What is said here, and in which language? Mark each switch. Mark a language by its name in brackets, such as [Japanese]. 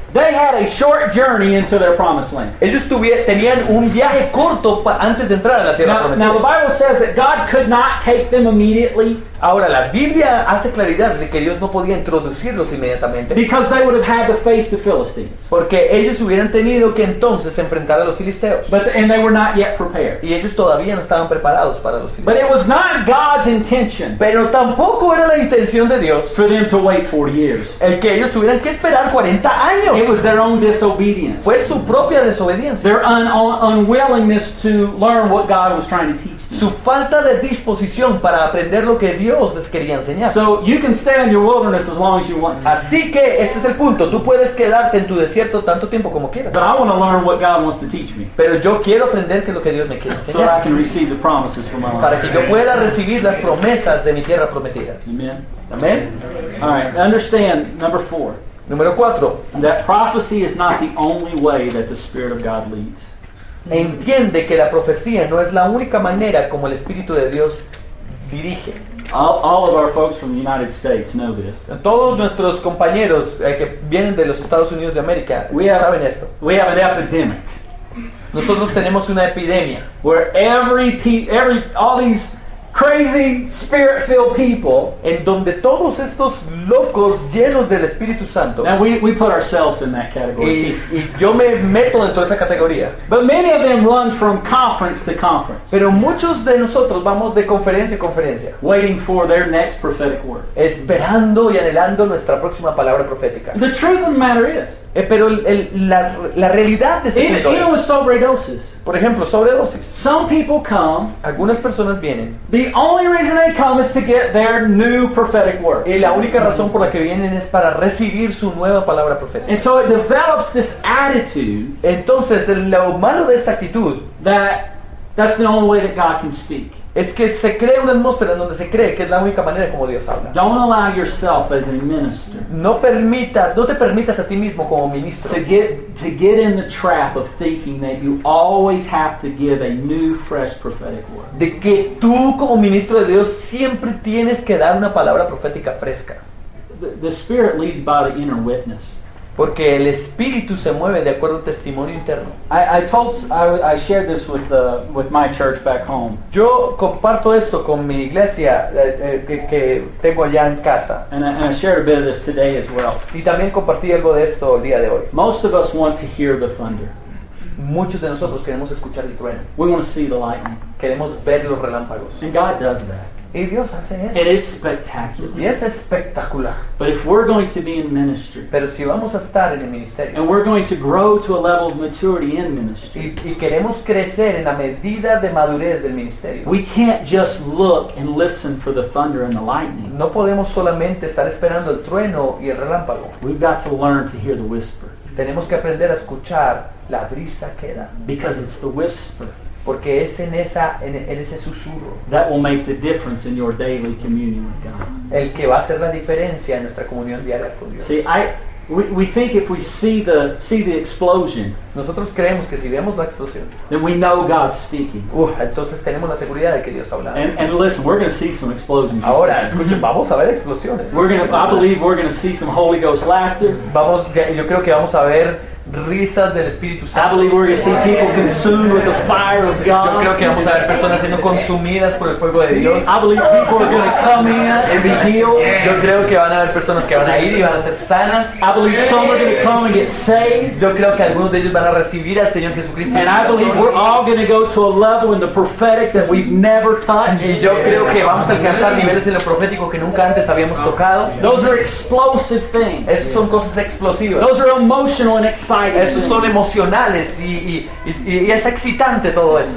[English] They had a short journey into their promised land. [Spanish] Ellos tenían un viaje corto antes de entrar a la tierra prometida. [English] Now the Bible says that God could not take them immediately. [Spanish] Ahora la Biblia hace claridad de que Dios no podía introducirlos inmediatamente. [English] Because they would have had to face the Philistines. [Spanish] Porque ellos hubieran tenido que entonces enfrentar a los filisteos. [English] And they were not yet prepared. [Spanish] Y ellos todavía no estaban preparados para los filisteos. [English] But it was not God's intention. [Spanish] Pero tampoco era la intención de Dios [English] for them to wait 40 years. [Spanish] El que ellos tuvieran que esperar 40 años. [English] It It was their own disobedience. [Spanish] Fue su propia desobediencia. [English] Their unwillingness to learn what God was trying to teach them. [Spanish] Su falta de disposición para aprender lo que Dios les quería enseñar. [English] So you can stay in your wilderness as long as you want to. [Spanish] Así que ese es el punto. Tú puedes quedarte en tu desierto tanto tiempo como quieras. [English] But I want to learn what God wants to teach me. [Spanish] Pero yo quiero aprender que lo que Dios me quiere enseñar. [English] So I can receive the promises from my life. [Spanish] Para que yo pueda recibir las promesas de mi tierra prometida. [English] Amen. [Spanish] Amen. [English] All right. Understand number four. [Spanish] Número cuatro. [English] That prophecy is not the only way that the Spirit of God leads. [Spanish] Entiende que la profecía no es la única manera como el Espíritu de Dios dirige. [English] All of our folks from the United States know this. [Spanish] Todos nuestros compañeros que vienen de los Estados Unidos de América saben esto. [English] We have an epidemic. [Spanish] Nosotros tenemos una epidemia. [English] Where all these crazy spirit-filled people, [Spanish] en donde todos estos locos llenos del Espíritu Santo. [English] Now we put ourselves in that category. [Spanish] Y yo me meto dentro de esa categoría. [English] But many of them run from conference to conference. [Spanish] Pero muchos de nosotros vamos de conferencia en conferencia. [English] Waiting for their next prophetic word. [Spanish] Esperando y anhelando nuestra próxima palabra profética. [English] The truth of the matter is. [Spanish] Pero la realidad de este punto es, sobredosis. Por ejemplo, sobredosis. [English] Some people come. [Spanish] Algunas personas vienen. [English] The only reason they come is to get their new prophetic word. [Spanish] Y la única razón por la que vienen es para recibir su nueva palabra profética. [English] And so it develops this attitude. [Spanish] Entonces, lo malo de esta actitud, [English] that's the only way that God can speak. [Spanish] Es que se crea una atmósfera en donde se cree que es la única manera como Dios habla. [English] Don't allow yourself as a minister. [Spanish] No te permitas a ti mismo como ministro. [English] To get in the trap of thinking that you always have to give a new, fresh prophetic word. [Spanish] De que tú como ministro de Dios siempre tienes que dar una palabra profética fresca. [English] The Spirit leads by the inner witness. [Spanish] Porque el Espíritu se mueve de acuerdo al testimonio interno. [English] I shared this with my church back home. [Spanish] Yo comparto esto con mi iglesia que tengo allá en casa. [English] And I shared a bit of this today as well. [Spanish] Y también compartí algo de esto el día de hoy. [English] Most of us want to hear the thunder. [Spanish] Muchos de nosotros queremos escuchar el trueno. [English] We want to see the lightning. [Spanish] Queremos ver los relámpagos. [English] And God does that. [Spanish] Y Dios hace eso. [English] It is spectacular. [Spanish] Y es espectacular. [English] But if we're going to be in ministry, [Spanish] pero si vamos a estar en el ministerio, [English] and we're going to grow to a level of maturity in ministry, [Spanish] y queremos crecer en la medida de madurez del ministerio, [English] we can't just look and listen for the thunder and the lightning. [Spanish] No podemos solamente estar esperando el trueno y el relámpago. [English] We've got to learn to hear the whisper. [Spanish] Tenemos que aprender a escuchar la brisa que da. [English] Because it's the whisper. [Spanish] Porque es en ese susurro. [English] That will make the difference in your daily communion with God. [Spanish] El que va a hacer la diferencia en nuestra comunión diaria con Dios. [English] See, we think if we see the explosion, [Spanish] nosotros creemos que si vemos la explosión, [English] then we know God's speaking. [Spanish] Entonces tenemos la seguridad de que Dios habla. [English] And listen, we're going to see some explosions. [Spanish] Ahora, escuchen, vamos a ver explosiones. [English] I believe we're going to see some Holy Ghost laughter. [Spanish] Yo creo que vamos a ver risas del Espíritu Santo. [English] I believe we're going to see people consumed with the fire of God. [Spanish] Yo creo que vamos a ver personas siendo consumidas por el fuego de Dios. [English] I believe people are going to come in and be healed. [Spanish] Yo creo que van a haber personas que van a ir y van a ser sanas. [English] I believe some are going to come and get saved. [Spanish] Yo creo que algunos de ellos van a recibir al Señor Jesucristo. [English] And I believe we're all going to go to a level in the prophetic that we've never touched. [Spanish] Y yo creo que vamos a alcanzar niveles en lo profético que nunca antes habíamos tocado. [English] Those are explosive things. [Spanish] Esas son cosas explosivas. [English] Those are emotional and exciting. [Spanish] Esos son emocionales y es excitante todo esto.